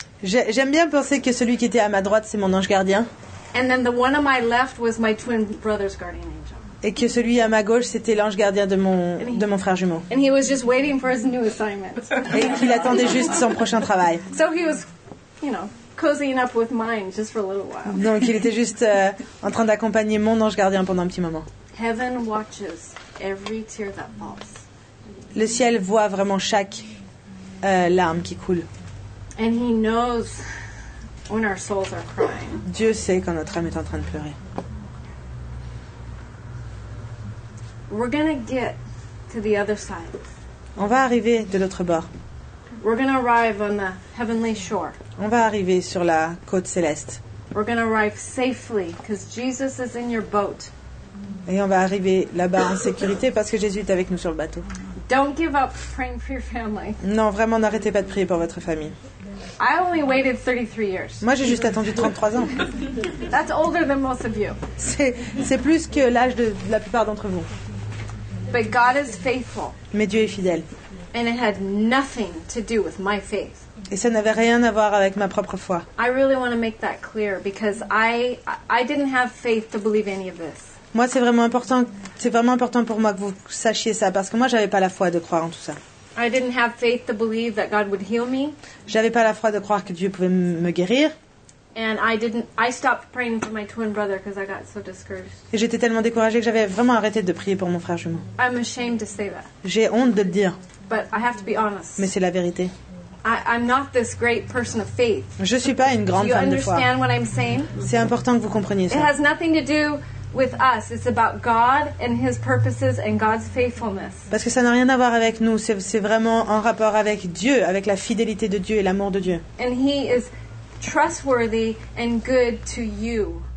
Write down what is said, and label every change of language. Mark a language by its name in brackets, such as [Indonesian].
[French] J'aime bien penser que celui qui était à ma droite, c'est mon ange gardien. [English] And then the one on my left was my twin brother's guardian angel. [French] Et que celui à ma gauche, c'était l'ange gardien de mon frère jumeau. [English] And he was just waiting for his new assignment. [French] Et qu'il attendait juste son prochain travail. [English] So he was, cozying up with mine just for a little while. [French] Donc il était juste en train d'accompagner mon ange gardien pendant un petit moment. [English] Heaven watches every tear that falls. [French] Le ciel voit vraiment chaque larme qui coule. [English] And he knows when our souls are crying. [French] Dieu sait quand notre âme est en train de pleurer. [English] We're gonna get to the other side. [French] On va arriver de l'autre bord. [English] We're gonna arrive on the heavenly shore. [French] On va arriver sur la côte céleste. [English] We're gonna arrive safely because Jesus is in your boat. [French] Et on va arriver là-bas en sécurité parce que Jésus est avec nous sur le bateau. [English] Don't give up praying for your family. [French] Non, vraiment, n'arrêtez pas de prier pour votre famille. [English] I only waited 33 years. [French] Moi, j'ai juste attendu 33 ans. [English] That's older than most of you. [French] C'est plus que l'âge de la plupart d'entre vous. [English] But God is faithful. [French] Mais Dieu est fidèle. [English] And it had nothing to do with my faith. [French] Et ça n'avait rien à voir avec ma propre foi. [English] I really want to make that clear because I didn't have faith to believe any of this. [French] Moi, c'est vraiment important pour moi que vous sachiez ça, parce que moi, j'avais pas la foi de croire en tout ça. [English] I didn't have faith to believe that God would heal me. [French] J'avais pas la foi de croire que Dieu pouvait me guérir. [English] And I stopped praying for my twin brother because I got so discouraged. [French] Et j'étais tellement découragée que j'avais vraiment arrêté de prier pour mon frère jumeau. [English] I'm ashamed to say that. [French] J'ai honte de le dire. [English] But I have to be honest. [French] Mais c'est la vérité. [English] I'm not this great person of faith. [French] Je suis pas une grande femme de foi. [English] Do you understand what I'm saying? [French] C'est important que vous compreniez ça. [English] It has nothing to do with us. It's about God and His purposes and God's faithfulness. [French] Parce que ça n'a rien à voir avec nous. C'est vraiment en rapport avec Dieu, avec la fidélité de Dieu et l'amour de Dieu. [English] And He is trustworthy and good to you.